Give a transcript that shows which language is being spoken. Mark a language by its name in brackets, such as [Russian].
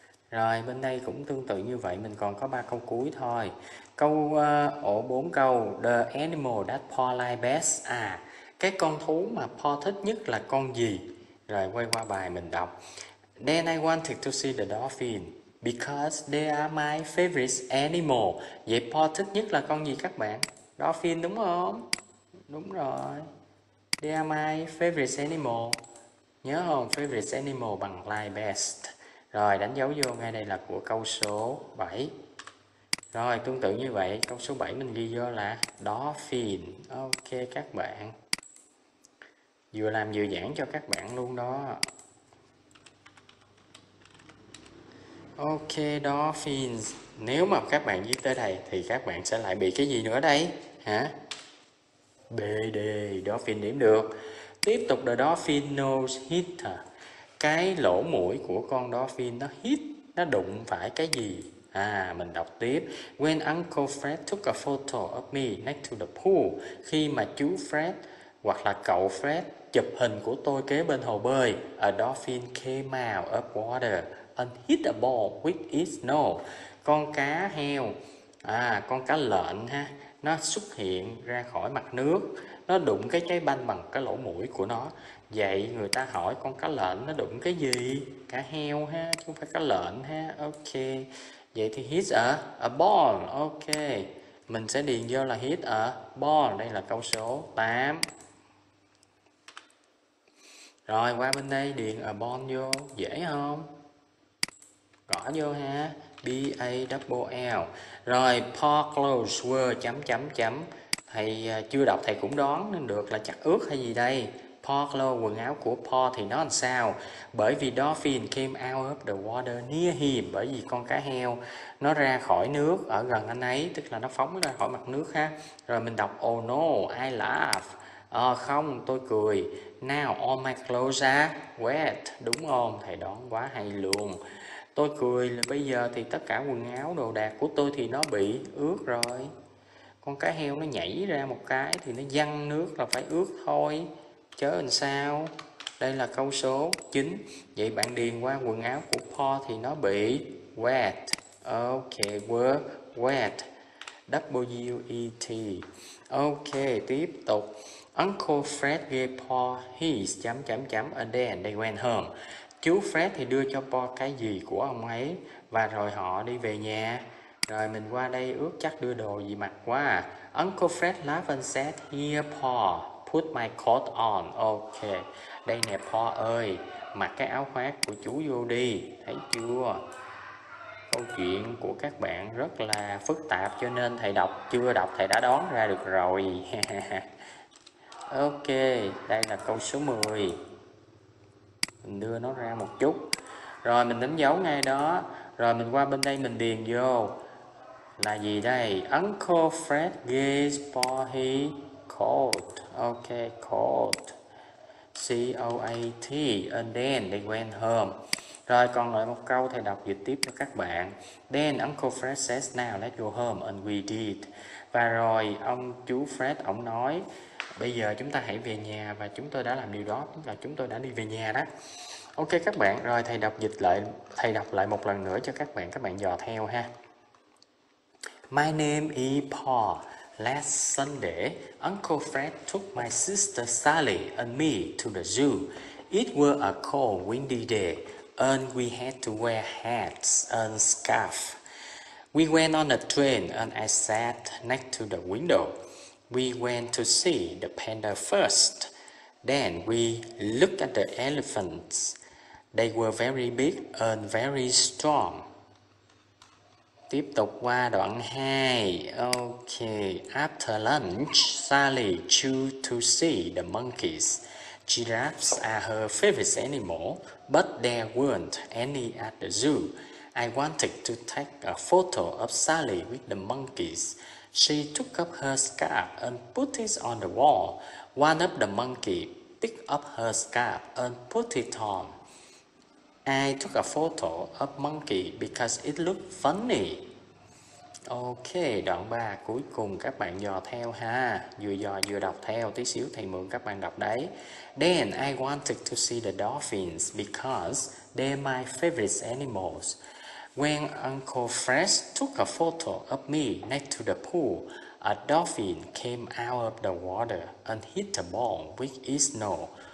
[Vietnamese] Rồi bên đây cũng tương tự như vậy, mình còn có 3 câu cuối thôi. Câu ổ 4 câu, [English] the animal that Paul like best. [Vietnamese] À, cái con thú mà Paul thích nhất là con gì? Rồi quay qua bài mình đọc. [English] Then I wanted to see the dolphin because they are my favorite animal. [Vietnamese] Vậy Paul thích nhất là con gì các bạn? Dolphin đúng không? Đúng rồi. [English] They are my favorite animal. [Vietnamese] Nhớ không? [English] Favorite animal bằng like best. [Vietnamese] Rồi đánh dấu vô ngay đây là của câu số 7. Rồi tương tự như vậy, câu số 7 mình ghi vô là dolphin. Ok các bạn, vừa làm vừa giảng cho các bạn luôn đó. Ok, dolphins. Nếu mà các bạn viết tới đây thì các bạn sẽ lại bị cái gì nữa đây? Hả? [English] BD, dolphin [Vietnamese] điểm được. Tiếp tục, [English] the dolphin nose hit. [Vietnamese] Cái lỗ mũi của con dolphin nó hit, nó đụng phải cái gì? À, mình đọc tiếp. [English] When Uncle Fred took a photo of me next to the pool. [Vietnamese] Khi mà chú Fred hoặc là cậu Fred chụp hình của tôi kế bên hồ bơi. [English] A dolphin came out of water and hit a ball with its nose. [Vietnamese] Con cá heo, con cá lợn ha, nó xuất hiện ra khỏi mặt nước. Nó đụng cái trái banh bằng cái lỗ mũi của nó. Vậy người ta hỏi con cá lợn nó đụng cái gì? Cá heo ha, chứ không phải cá lợn ha. Ok, vậy thì [English] hit a ball. [Vietnamese] Ok, mình sẽ điền vô là [English] hit a ball. [Vietnamese] Đây là câu số 8. Rồi qua bên đây điền a ball vô, dễ không? Gõ vô ha, B-A-L-L. Rồi, [English] Paul close were [Vietnamese] chấm chấm chấm. Thầy chưa đọc thầy cũng đoán nên được là chắc ướt hay gì đây. Paul close, quần áo của Paul thì nó làm sao? Bởi vì [English] dolphin came out of the water near him. [Vietnamese] Bởi vì con cá heo nó ra khỏi nước ở gần anh ấy, tức là nó phóng ra khỏi mặt nước ha. Rồi mình đọc, [English] oh no, I laugh. [Vietnamese] Không, tôi cười. [English] Now all my clothes are wet. [Vietnamese] Đúng không? Thầy đoán quá hay luôn. Tôi cười là bây giờ thì tất cả quần áo đồ đạc của tôi thì nó bị ướt rồi. Con cá heo nó nhảy ra một cái thì nó văng nước là phải ướt thôi. Chớ làm sao? Đây là câu số 9. Vậy bạn điền qua quần áo của Paul thì nó bị wet. [English] Ok, were wet. W-E-T. [Vietnamese] Ok, tiếp tục. [English] Uncle Fred gave Paul his [Vietnamese] chấm chấm chấm [English] and then they went home. [Vietnamese] Chú Fred thì đưa cho Paul cái gì của ông ấy và rồi họ đi về nhà. Rồi mình qua đây ước chắc đưa đồ gì mặc quá. [English] Uncle Fred laughed and said, here Paul, put my coat on. [Vietnamese] Ok, đây nè Paul ơi, mặc cái áo khoác của chú vô đi, thấy chưa? Câu chuyện của các bạn rất là phức tạp cho nên thầy đọc, chưa đọc thầy đã đoán ra được rồi. Ok, đây là câu số 10. Mình đưa nó ra một chút. Rồi mình đánh dấu ngay đó. Rồi mình qua bên đây mình điền vô là gì đây? [English] Uncle Fred gave Paul his coat. Ok, coat. C-O-A-T. And then they went home. [Vietnamese] Rồi còn lại một câu thầy đọc dịch tiếp cho các bạn. [English] Then Uncle Fred says, now let's go home. And we did. [Vietnamese] Và rồi ông chú Fred ổng nói, bây giờ chúng ta hãy về nhà, và chúng tôi đã làm điều đó, tức là chúng tôi đã đi về nhà đó. Ok các bạn, rồi thầy đọc dịch lại, thầy đọc lại một lần nữa cho các bạn dò theo ha. [English] My name is Paul. Last Sunday, Uncle Fred took my sister Sally and me to the zoo. It was a cold, windy day, and we had to wear hats and scarf. We went on a train, and I sat next to the window. We went to see the panda first. Then we looked at the elephants. They were very big and very strong. [Vietnamese] Tiếp tục qua đoạn 2. Okay. [English] After lunch, Sally chose to see the monkeys. Giraffes are her favorite animal, but there weren't any at the zoo. I wanted to take a photo of Sally with the monkeys. She took up her scarf and put it on the wall. One of the monkeys picked up her scarf and put it on. I took a photo of monkey because it looked funny. [Vietnamese] Ok, đoạn 3 cuối cùng các bạn dò theo ha. Vừa dò vừa đọc theo, tí xíu thầy mượn các bạn đọc đấy. [English] Then I wanted to see the dolphins because they're my favorite animals. When Uncle Fred took a photo of me next to the pool, a dolphin came out of the water and hit the ball with its nose.